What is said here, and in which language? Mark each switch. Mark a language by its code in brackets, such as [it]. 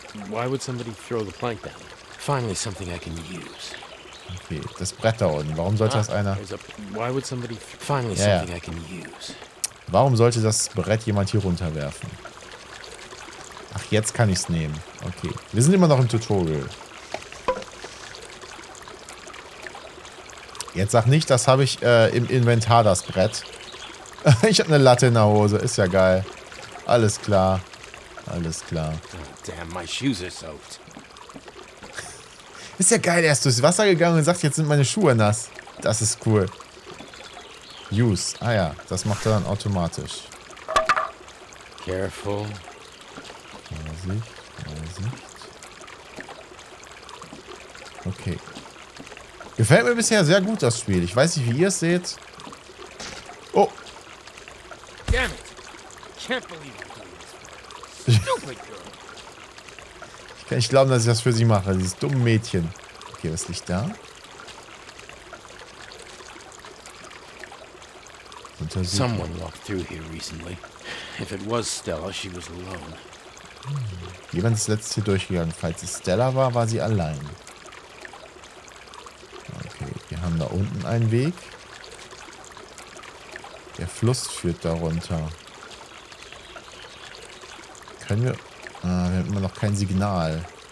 [en] Why would somebody throw the plank down? Finally something I can use. [de] Okay, das Brett da unten. Warum sollte das einer? Warum sollte das Brett jemand hier runterwerfen? Ach, jetzt kann ich es nehmen. Okay. Wir sind immer noch im Tutorial. Jetzt sag nicht, das habe ich im Inventar, das Brett. Ich habe eine Latte in der Hose. Ist ja geil. Alles klar. Alles klar. [en] Oh, damn, my shoes are soaked. [de] Ist ja geil, er ist durchs Wasser gegangen und sagt, jetzt sind meine Schuhe nass. Das ist cool. Use. Ah ja, das macht er dann automatisch. [en] Careful. [de] Vorsicht. Okay. Gefällt mir bisher sehr gut, das Spiel. Ich weiß nicht, wie ihr es seht. Oh. [en] Damn it. Can't believe it. Stupid girl. [de] Ich kann nicht glauben, dass ich das für sie mache, dieses dumme Mädchen. Okay, was liegt da? [en] Someone walked through here recently. If it was Stella, she was alone. [de] Jemand ist letztens hier durchgegangen. Falls es Stella war, war sie allein. Wir haben da unten einen Weg. Der Fluss führt darunter. Können wir... wir haben immer noch kein Signal.